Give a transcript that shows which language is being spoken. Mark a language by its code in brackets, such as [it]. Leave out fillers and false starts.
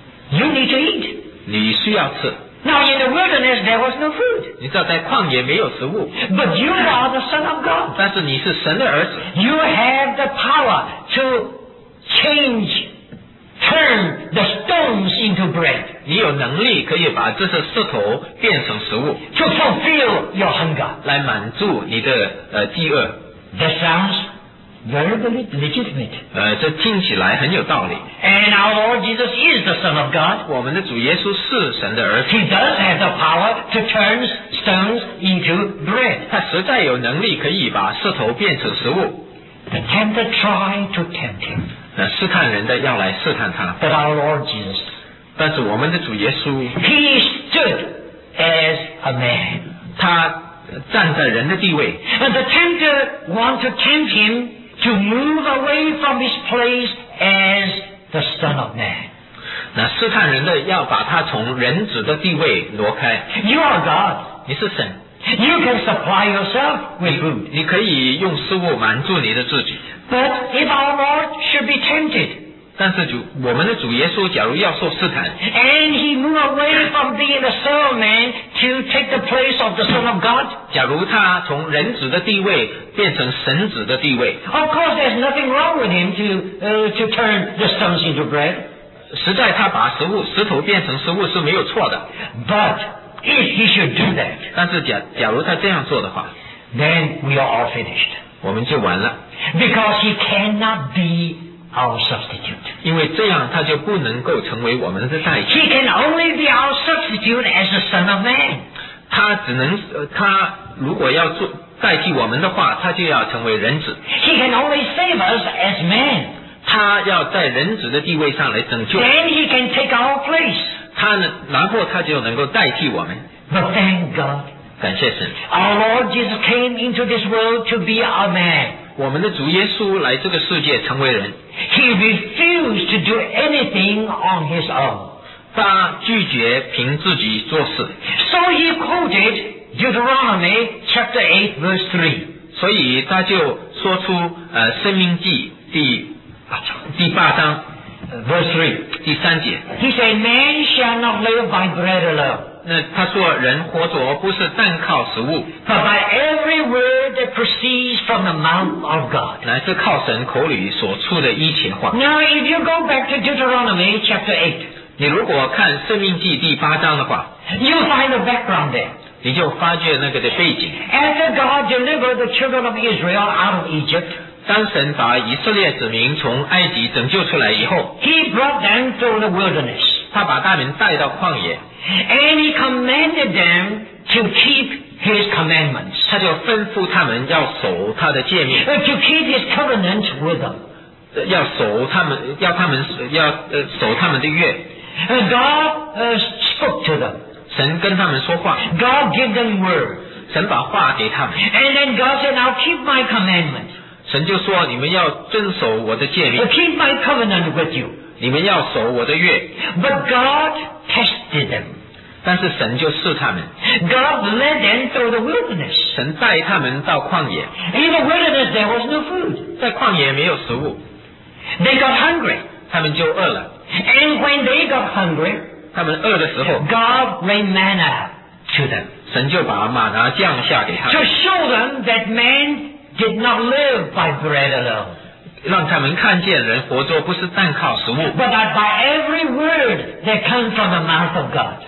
[en] You need to eat. [zh] 你需要吃。 [en] Now in the wilderness there was no food. [zh] 你知道在旷野没有食物。 [en] But you are the son of God. [zh] 但是你是神的儿子。 [en] You have the power to change. Turn the stones into bread. [zh] 你有能力可以把这些石头变成食物。 [en] To fulfill your hunger. [zh] 来满足你的饥饿。 [en] That sounds very legitimate. [zh] 这听起来很有道理。 [en] And our Lord Jesus is the Son of God. [zh] 我们的主耶稣是神的儿子。 [en] He does have the power to turn stones into bread. [zh] 他实在有能力可以把石头变成食物。 [en] The tempter tried to tempt him. [zh] 那试探人的要来试探他。 [en] But our Lord Jesus, [zh] 但是我们的主耶稣， [en] He stood as a man. [zh] 他站在人的地位。 [en] And the tempter wanted to tempt him to move away from his place as the Son of Man. [zh] 那试探人的要把他从人子的地位挪开。 [en] You are God. [zh] 你是神。 [en] You can supply yourself with food. [zh] 你可以用食物满足你的自己。 [en] But if our Lord should be tempted, [zh] 但是主我们的主耶稣假如要受试探， [en] and he moved away from being the Son of Man to take the place of the Son of God, [zh] 假如他从人子的地位变成神子的地位， [en] of course there's nothing wrong with him to turn the stones into bread. [zh] 实在他把食物石头变成食物是没有错的。 [en] But if he should do that, [zh] 但是假如他这样做的话， [en] then we are all finished. [zh] 我们就完了。 [en] Because he cannot be our substitute. [zh] 因为这样他就不能够成为我们的代替。 [en] He can only be our substitute as the Son of Man. [zh] 他只能他如果要做代替我们的话，他就要成为人子。 [en] He can only save us as man. [zh] 他要在人子的地位上来拯救。 [en] Then he can take our place. [zh] 他然后他就能够代替我们。 [en] But thank God. [zh] 感谢神。 [en] Our Lord Jesus came into this world to be a man. [zh] 我们的主耶稣来这个世界成为人。 [en] He refused to do anything on his own. [zh] 他拒绝凭自己做事。 [en] So he quoted Deuteronomy chapter 8 verse 3. [zh] 所以他就说出申命记第八章 [en] verse 3. [zh] 第三节。 [en] He said, Man shall not live by bread alone. [zh] 那他说人活着不是单靠食物， [en] But by every word that proceeds from the mouth of God. [zh] 乃是靠神口里所出的一切话。 [en] Now if you go back to Deuteronomy chapter 8, [zh] 你如果看申命记第八章的话， [en] You find the background there. [zh] 你就发觉那个的背景。 [en] After God delivered the children of Israel out of Egypt, [zh] 当神把以色列子民从埃及拯救出来以后， [en] He brought them through the wilderness. [zh] 他把他们带到旷野。 [en] And he commanded them to keep His commandments. [zh] 他就吩咐他们要守他的诫命。 [en] And to keep his covenant with them. [zh] 要守他们，要他们要守他们的约。 [en] And God spoke to them. [zh] 神跟他们说话。 [en] God gave them word. [zh] 神把话给他们。 [en] And then God said, "I'll keep my commandments." [zh] 神就说你们要遵守我的诫命。 [en] I'll keep my covenant with you. [zh] 你们要守我的约。 [en] But God tested them. [zh] 但是神就试他们。 [en] God led them through the wilderness. [zh] 神带他们到旷野。 [en] In the wilderness, there was no food. [zh] 在旷野没有食物。 [en] They got hungry. [zh] 他们就饿了。 [en] And when they got hungry, [zh] 他们饿的时候 [en] God rained manna to them. [zh] 神就把玛拿降下给他们。 [en] To show them that man did not live by bread alone. [zh] 让他们看见人活着不是单靠食物 [en] but that by every word that comes from the mouth of God